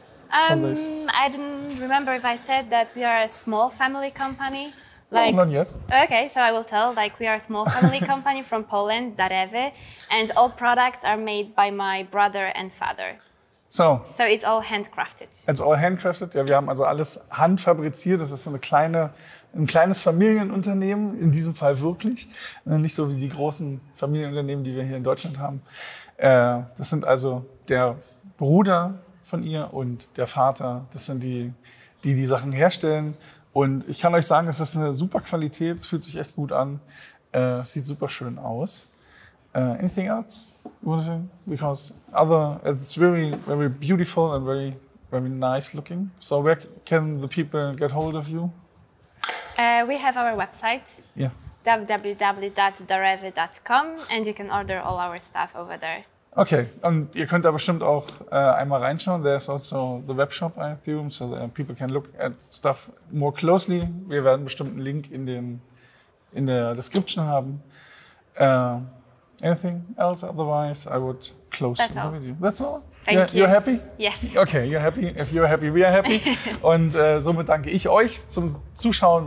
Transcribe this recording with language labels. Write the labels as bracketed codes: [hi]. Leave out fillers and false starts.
[en] I don't remember if I said that we are a small family company. Like, not yet. Okay, so I will tell. Like, we are a small family company from Poland, Darewy, and all products are made by my brother and father. So it's all handcrafted. It's all handcrafted. [de] Ja, wir haben also alles handfabriziert. Das ist ein kleines Familienunternehmen, in diesem Fall wirklich. Nicht so wie die großen Familienunternehmen, die wir hier in Deutschland haben. Das sind also der Bruder von ihr und der Vater. Das sind die Sachen herstellen. Und ich kann euch sagen, es ist eine super Qualität. Es fühlt sich echt gut an. Es sieht super schön aus. [en] Anything else you want to say? Because it's very, very beautiful and very, very nice looking. So where can the people get hold of you? We have our website, yeah. www.darewy.com, and you can order all our stuff over there. [de] Okay, und ihr könnt da bestimmt auch einmal reinschauen. [en] There's also the webshop, I assume, so that people can look at stuff more closely. [de] Wir werden bestimmt einen Link in der Description haben. [en] Anything else? Otherwise, I would close That's the all. Video. That's all? Thank you. You're happy? Yes. Okay, you're happy. If you're happy, we are happy. [de] Und somit danke ich euch zum Zuschauen.